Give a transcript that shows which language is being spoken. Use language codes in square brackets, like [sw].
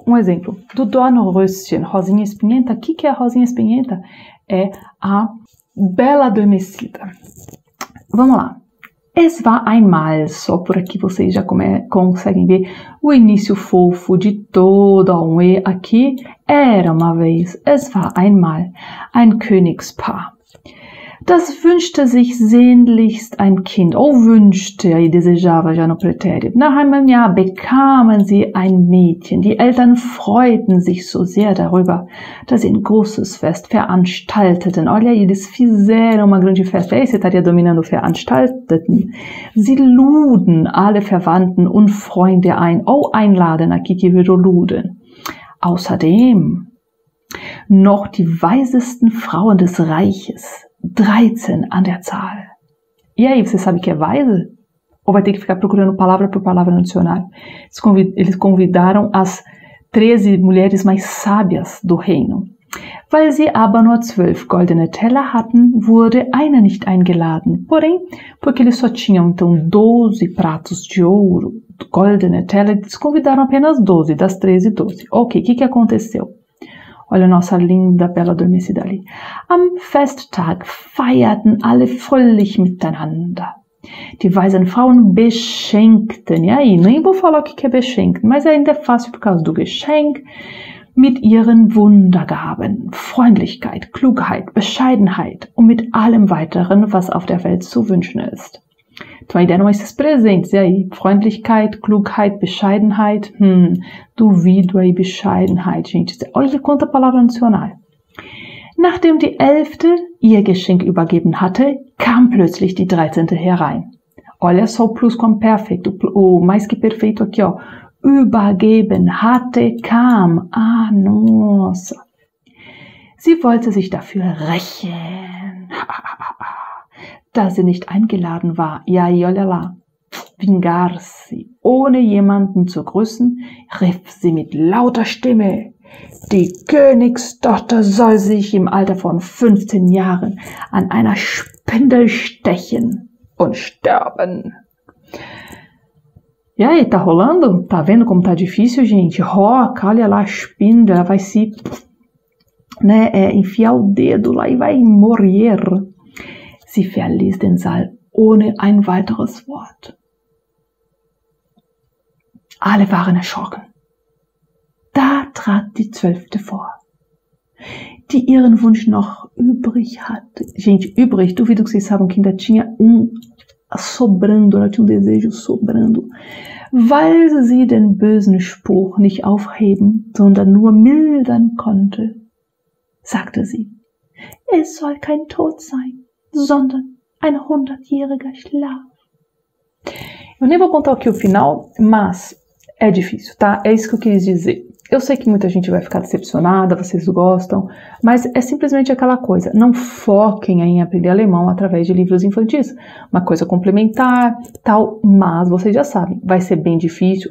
[pt] Um exemplo. Do Dornröschen, rosinha espinhenta. O que é a rosinha espinhenta? É a bela adormecida. Vamos lá. [de] Es war einmal, [pt] só por aqui vocês já conseguem ver o início fofo de todo um E aqui. Era uma vez, [de] es war einmal, ein Königspaar. Das wünschte sich sehnlichst ein Kind, [pt] ou wünschte, aí desejava já no pretérito. [de] Nach einem Jahr bekamen sie ein Mädchen. Die Eltern freuten sich so sehr darüber, dass sie ein großes Fest veranstalteten. [pt] Olha aí, eles fizeram uma grande festa. Aí você estaria dominando veranstalteten. [de] Sie luden alle Verwandten und Freunde ein, [pt] ou einladen, aqui que virou luden. [de] Außerdem noch die weisesten Frauen des Reiches. 13 an der Zahl. [pt] E aí, você sabe que é weise? ou vai ter que ficar procurando palavra por palavra no dicionário. Eles convidaram as 13 mulheres mais sábias do reino. [de] Weil sie aber nur 12 goldene Teller hatten, wurde eine nicht eingeladen. [pt] Porém, porque eles só tinham então 12 pratos de ouro, [de] goldene Teller, [pt] eles convidaram apenas 12, das 13, 12. Ok, o que que aconteceu? Olha a nossa linda, bela adormecida ali. [de] Am Festtag feierten alle fröhlich miteinander. Die weisen Frauen beschenkten. [pt] E aí, nem vou falar o que é beschenken, mas ainda é fácil por causa do Geschenk. [de] Mit ihren Wundergaben, Freundlichkeit, Klugheit, Bescheidenheit und mit allem weiteren, was auf der Welt zu wünschen ist. [pt] Então, aí deram esses presentes. E aí, [de] Freundlichkeit, Klugheit, Bescheidenheit. [pt] Duvido aí, Bescheidenheit, gente. Olha quanta palavra no dicionário. [de] Nachdem die Elfte ihr Geschenk übergeben hatte, kam plötzlich die 13. herein. [pt] Olha só o plusquamperfeito, o mais que perfeito aqui, ó. [de] Übergeben hatte kam. [pt] Ah, nossa. [de] Sie wollte sich dafür rächen, da sie nicht eingeladen war. Ja, jolala. [pt] Vingar-se. [de] Ohne jemanden zu grüßen, rief sie mit lauter Stimme: Die Königstochter soll sich im Alter von 15 Jahren an einer Spindel stechen und sterben. [pt] E aí, tá rolando? Tá vendo como tá difícil, gente? Roca, olha lá, a espinga, ela vai se, né, enfiar o dedo lá e vai morrer. [de] Sie verließ den Saal ohne ein weiteres Wort. Alle waren erschrocken. Da trat die Zwölfte vor, die ihren Wunsch noch übrig hatte. [pt] Gente, übrig, duvido que vocês saibam que ainda tinha sobrando, ela tinha desejo sobrando. [de] Weil sie den bösen Spruch nicht aufheben, sondern nur mildern konnte, sagte sie: Es soll kein Tod sein, sondern ein 100-jähriger Schlaf. [pt] Eu nem vou contar aqui o final, mas é difícil, tá? É isso que eu quis dizer. Eu sei que muita gente vai ficar decepcionada, vocês gostam, mas é simplesmente aquela coisa. Não foquem aí em aprender alemão através de livros infantis. Uma coisa complementar, tal, mas vocês já sabem, vai ser bem difícil.